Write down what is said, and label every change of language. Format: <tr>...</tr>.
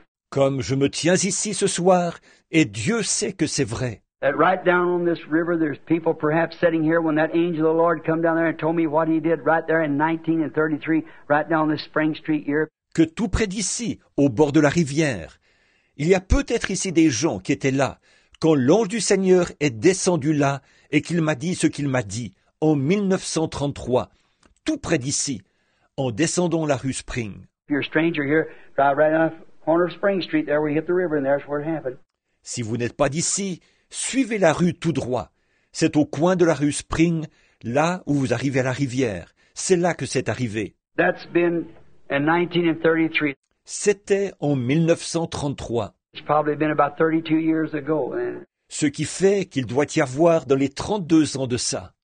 <fr>Comme je me tiens ici ce soir et Dieu sait que c'est vrai.</fr> <en>That right down on this river, there's people perhaps sitting here when that angel of the Lord come down there and told me what he did right there in 1933, right down this Spring Street here.</en> <fr>Que tout près d'ici, au bord de la rivière, il y a peut-être ici des gens qui étaient là quand l'ange du Seigneur est descendu là et qu'il m'a dit ce qu'il m'a dit en 1933, tout près d'ici, en descendant la rue Spring.</fr> <en>If you're a stranger here, drive right down the corner of Spring Street, there we hit the river and there's where it happened.</en> <fr>Si vous n'êtes pas d'ici, suivez la rue tout droit. C'est au coin de la rue Spring, là où vous arrivez à la rivière. C'est là que c'est arrivé.</fr> <en>That's been in 1933.</en> <fr>C'était en 1933.</fr> <en>It's probably been about 32 years ago, and...</en> <fr>ce qui fait qu'il doit y avoir dans les 32 ans de ça.</fr>